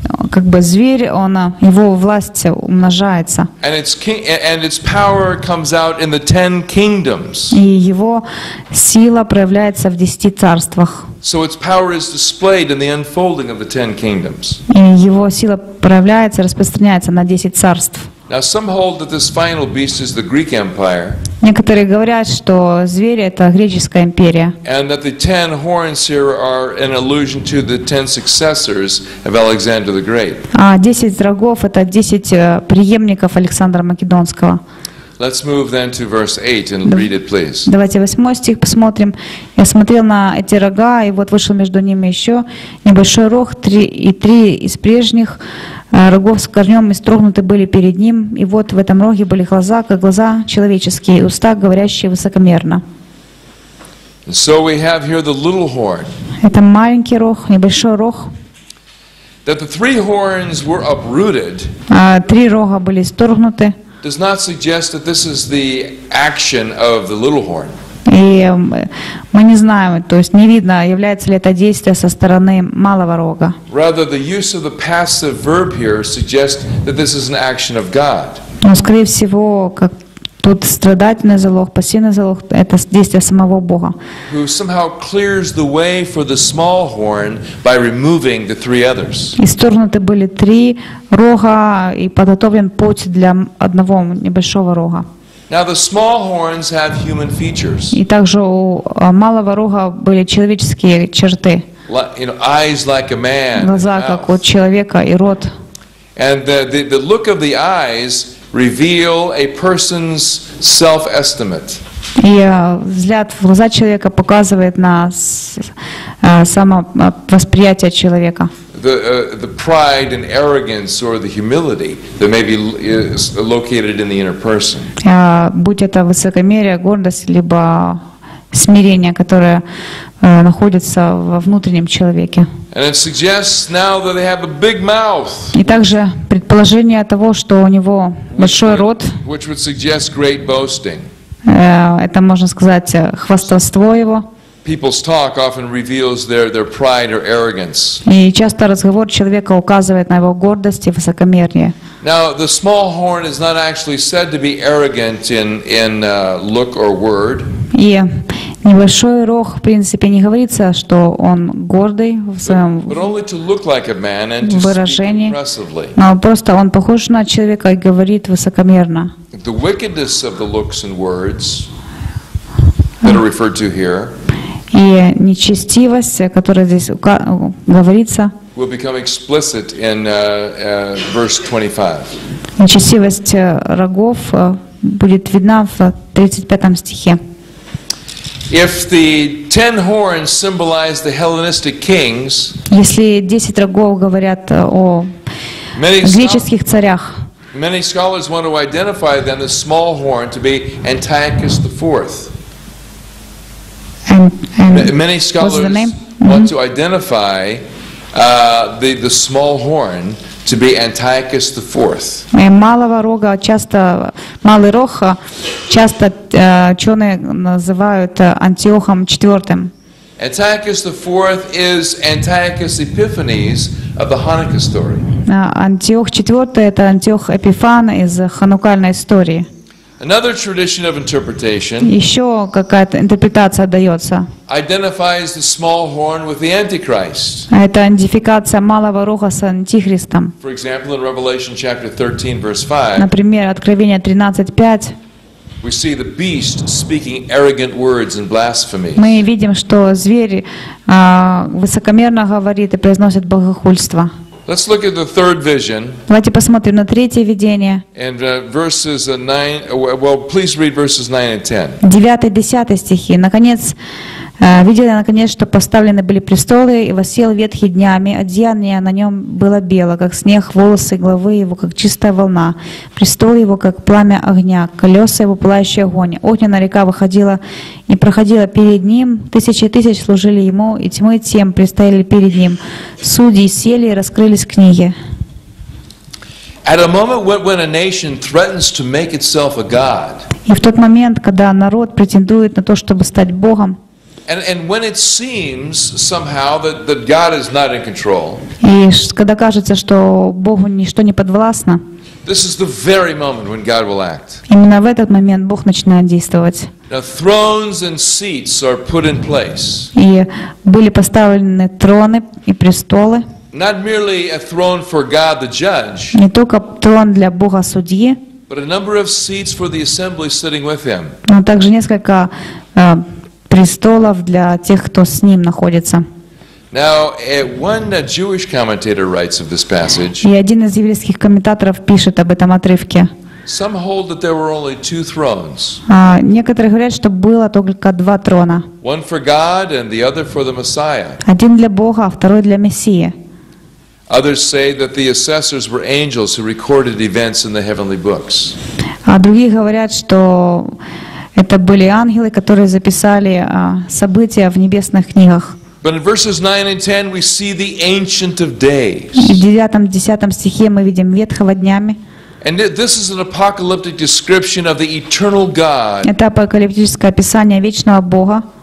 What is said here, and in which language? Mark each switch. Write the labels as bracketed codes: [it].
[ru] Как бы зверь, она, его власть умножается. [en] And its power comes out in the 10 kingdoms. [ru] И его сила проявляется в 10 царствах. [en] So its power is displayed in the unfolding of the 10 kingdoms. [ru] И его сила проявляется, распространяется на 10 царств. [en] Now some hold that this final beast is the Greek Empire. [ru] Некоторые говорят, что зверь это греческая империя. [en] And that the 10 horns here are an allusion to the 10 successors of Alexander the Great. [ru] А 10 рогов это 10 преемников Александра Македонского. [en] Let's move then to verse 8 and read it, please. [ru] Давайте 8 стих посмотрим. Я смотрел на эти рога, и вот вышел между ними еще небольшой рог, 3 из прежних рогов с корнем истрогнуты были перед ним, и вот в этом роге были глаза, как глаза человеческие, уста, говорящие высокомерно. [en] So we have here the little horn. [ru] Это маленький рог, небольшой рог. [en] That the three horns were uprooted. [ru] Три рога были исторгнуты. [en] Does not suggest that this is the action of the little horn. [ru] И мы не знаем, то есть не видно, является ли это действие со стороны малого рога. [en] Rather, the use of the passive verb here suggests that this is an action of God. [ru] Но, скорее всего, как тут страдательный залог, пассивный залог, это действие самого Бога. [en] Who somehow clears the way for the small horn by removing the three others. [ru] Исторгнуты были три рога и подготовлен путь для одного небольшого рога. [en] Now the small horns have human features. [ru] И также у малого рога были человеческие черты. [en] Eyes like a man. [ru] Глаза как у человека и рот. [en] And the look of the eyes reveal a person's self-estimate. [ru] И взгляд в глаза человека показывает на самовосприятие человека. [en] The pride and arrogance or the humility that may be located in the inner person. [ru] Будь это высокомерие, гордость, либо смирение, которое находится во внутреннем человеке. [en] And it suggests now that they have a big mouth. [ru] И также предположение того, что у него большой рот. [en] Which would suggest great boasting. [ru] Это можно сказать хвастовство его. [en] people's talk often reveals their pride or arrogance. [ru] И часто разговор человека указывает на его гордость и высокомерие. [en] Now the small horn is not actually said to be arrogant in look or word. [ru] И небольшой рог, в принципе, не говорится, что он гордый в своем выражении, но просто он похож на человека и говорит высокомерно. [en] The wickedness of the looks and words that are referred to here. [ru] И нечестивость, о которой здесь говорится. [en] Will become explicit in verse 25. [ru] Нечестивость рогов будет видна в 35 стихе. [en] If the 10 horns symbolize the Hellenistic kings. [ru] Если 10 рогов говорят о греческих царях. [en] Many scholars want to identify then the small horn to be Antiochus the Fourth. Many scholars want to identify the small horn to be Antiochus the Fourth. [ru] Малого рога часто малый рог часто ученые называют Антиохом IV. [en] Antiochus the Fourth is Antiochus Epiphanes of the Hanukkah story. [ru] Антиох IV – это Антиох Эпифан из ханукальной истории. [en] Another tradition of interpretation. [ru] Еще какая-то интерпретация дается. [en] Identifies the small horn with the Antichrist. [ru] Это идентификация малого рога с Антихристом. [en] For example, in Revelation chapter 13, verse 5. [ru] Например, Откровение 13:5. [en] We see the beast speaking arrogant words and blasphemy. [ru] Мы видим, что зверь высокомерно говорит и произносит богохульство. [en] Let's look at the third vision. [ru] Давайте посмотрим на третье видение. [en] And verses 9. Well, please read verses 9 and 10. [ru] 9-10 стихи. Наконец, видел я наконец, что поставлены были престолы и воссел ветхий днями. Одеяние на нем было бело, как снег, волосы главы его как чистая волна. Престол его как пламя огня, колеса его пылающий огонь. Огненная река выходила и проходила перед ним. Тысячи тысяч служили ему, и тьмы тем предстояли перед ним. Судьи сели и раскрылись книги. [en] At a moment when a nation threatens to make itself a god. [ru] И в тот момент, когда народ претендует на то, чтобы стать богом. [en] And when it seems somehow that God is not in control. [ru] И когда кажется, что Богу ничто не подвластно. [en] This is the very moment when God will act. [ru] Именно в этот момент Бог начинает действовать. [en] Now thrones and seats are put in place. [ru] И были поставлены троны и престолы. [en] Not merely a throne for God the judge. [ru] Не только трон для Бога судьи. [en] But a number of seats for the assembly sitting with him. [ru] Но также несколько престолов для тех, кто с ним находится. [en] Now, one Jewish commentator writes of this passage. [ru] И один из еврейских комментаторов пишет об этом отрывке. [en] Some hold that there were only two thrones. [ru] Некоторые говорят, что было только два трона. [en] One for God and the other for the Messiah. [ru] Один для Бога, а второй для Мессии. [en] Others say that the assessors were angels who recorded events in the heavenly books. [ru] А другие говорят, что это были ангелы, которые записали события в небесных книгах. [en] But in verses 9 and 10 we see the Ancient of Days. [ru] И в 9-10 стихе мы видим ветхого днями. [en] And this is an apocalyptic description of the eternal God. [ru] Это апокалиптическое описание вечного Бога.